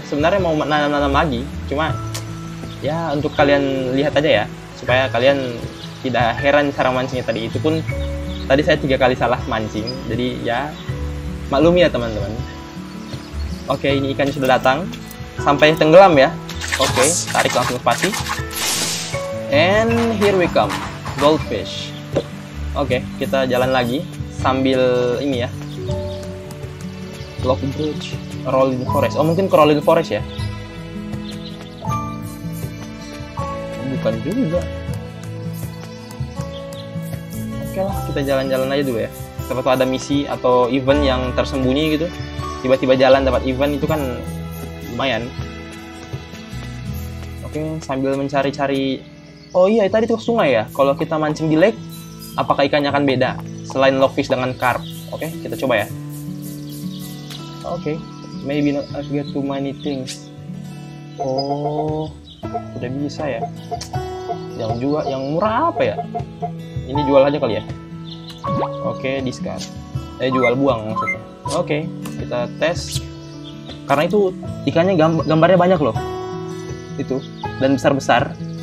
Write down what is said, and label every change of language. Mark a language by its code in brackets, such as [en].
[id] Sebenarnya mau nanam-nanam lagi, cuma ya untuk kalian lihat aja ya, supaya kalian tidak heran cara mancingnya tadi. Itu pun tadi saya 3 kali salah mancing, jadi ya maklumi ya teman-teman. Oke, ini ikannya sudah datang, sampai tenggelam ya. Oke, tarik langsung spasi. [en] And here we come, goldfish. [id] Oke, kita jalan lagi sambil ini ya. Block bridge, rolling forest. Oh, mungkin ke rolling forest ya. Bukan juga. Oke lah, kita jalan-jalan aja dulu ya. Siapa tahu ada misi atau event yang tersembunyi gitu. Tiba-tiba jalan dapat event itu kan lumayan. Oke, sambil mencari-cari. Oh iya, tadi tuh sungai ya. Kalau kita mancing di lake, apakah ikannya akan beda selain lockfish dengan carp? Oke, kita coba ya. [en] Oke, maybe not, I've got too many things. [id] Oh, udah bisa ya. Yang jual yang murah apa ya? Ini jual aja kali ya. Oke, discard. Jual buang maksudnya. Oke, kita tes. Karena itu ikannya gambarnya banyak loh. Itu dan besar-besar.